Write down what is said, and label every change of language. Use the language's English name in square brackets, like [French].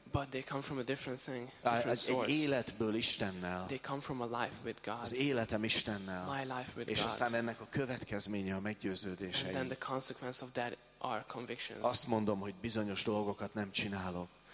[English] But they come from a different thing, different source. [Hungarian] Egy életből Istennel. [English] They come from a life with God. [Hungarian] Az életem Istennel. [English] My life with God. [Hungarian] És aztán ennek a következménye a meggyőződéseim. [English] And then the consequence of that are convictions. [Hungarian] Azt mondom, hogy bizonyos dolgokat nem csinálok.